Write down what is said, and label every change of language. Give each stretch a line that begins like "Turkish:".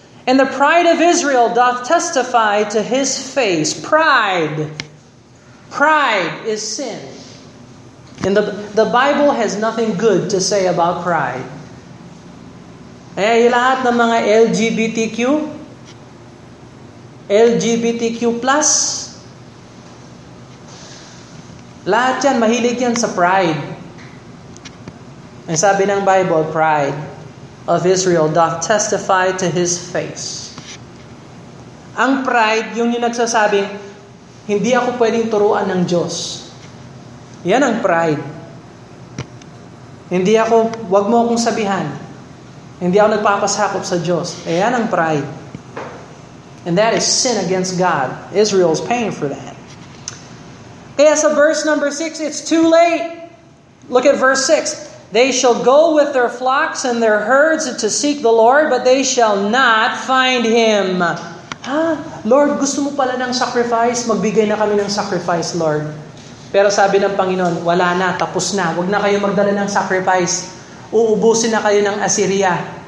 English: And the pride of Israel doth testify to his face. Pride. Pride is sin. And the Bible has nothing good to say about pride.
Filipino: Eh, lahat ng mga LGBTQ, LGBTQ+, lahat yan, mahilig yan sa pride. Ang sabi ng
English: Bible, pride of Israel doth testify to his face.
Filipino: Ang pride, yung nagsasabi, hindi ako pwedeng turuan ng Diyos. Yan ang pride. Hindi ako, wag mo akong sabihan. Hindi ako nagpapasakop sa Diyos. Ayan ang pride.
English: And that is sin against God. Israel's paying for that.
Filipino: Kaya sa verse number 6,
English: it's too late. Look at verse 6. They shall go with their flocks and their herds to seek the Lord, but they shall not find Him. Ha?
Filipino: Lord, gusto mo pala ng sacrifice? Magbigay na kami ng sacrifice, Lord. Pero sabi ng Panginoon, wala na, tapos na. Huwag na kayo magdala ng sacrifice. Uubusin na kayo ng Assyria.